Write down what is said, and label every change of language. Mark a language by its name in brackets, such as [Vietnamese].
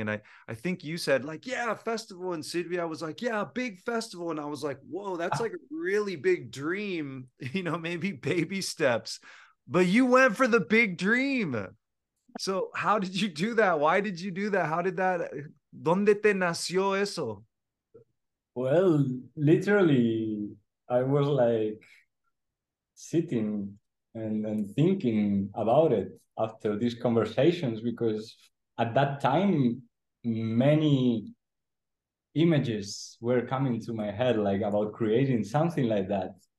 [English] And I think you said like, yeah, a festival in Sydney. I was like, yeah, a big festival. And I was like, whoa, that's like a really big dream, you know, maybe baby steps, but you went for the big dream. So how did you do that? Why did you do that? How did that, [Spanish] ¿dónde te nació eso? [English] Well, literally I was like sitting and thinking about it after these conversations, because at that time many images were coming to my head, like about creating something like that.